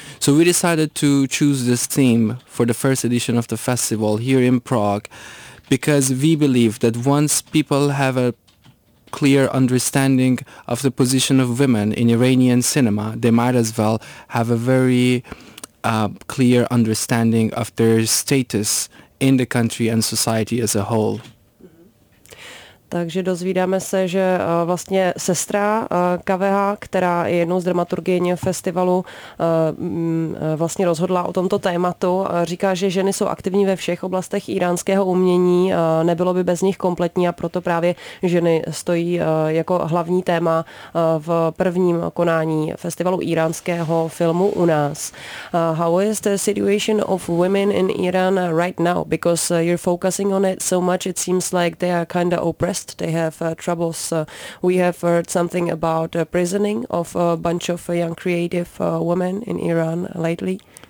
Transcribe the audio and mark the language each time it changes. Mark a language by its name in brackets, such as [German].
[English] So we decided to choose this theme for the first edition of the festival here in Prague, because we believe that once people have a clear understanding of the position of women in Iranian cinema, they might as well have a very clear understanding of their status in the country and society as a whole. [Czech] Takže dozvídáme se, že vlastně sestra Kaveha, která je jednou z dramaturgyň festivalu, vlastně rozhodla o tomto tématu. Říká, že ženy jsou aktivní ve všech oblastech íránského umění, nebylo by bez nich kompletní a proto právě ženy stojí jako hlavní téma v prvním konání festivalu íránského filmu u nás. [English] How is the situation of women in Iran right now? Because you're focusing on it so much, it seems like they are kind of oppressed. They have troubles. We have heard something about prisoning of a bunch of young creative women in Iran lately.